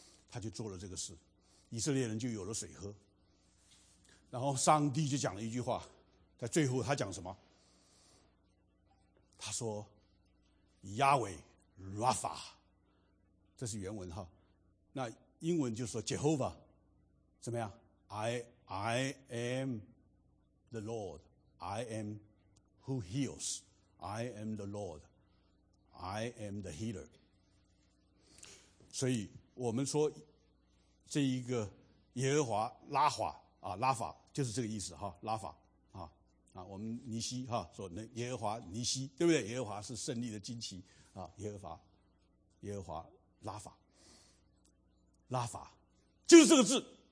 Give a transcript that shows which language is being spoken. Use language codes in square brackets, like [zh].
[zh] 他就做了这个事，以色列人就有了水喝。然后上帝就讲了一句话，在最后他讲什么？他说亚伟拉法，这是原文哈。那英文就说 Jehovah 怎么样？ [en] I am the Lord, I am who heals, I am the Lord, I am the healer。 [zh] 所以我们说这一个耶和华拉法啊，拉法就是这个意思哈，拉法啊，我们尼西哈说耶和华尼西，对不对？耶和华是胜利的旌旗啊，耶和华拉法，拉法就是这个字。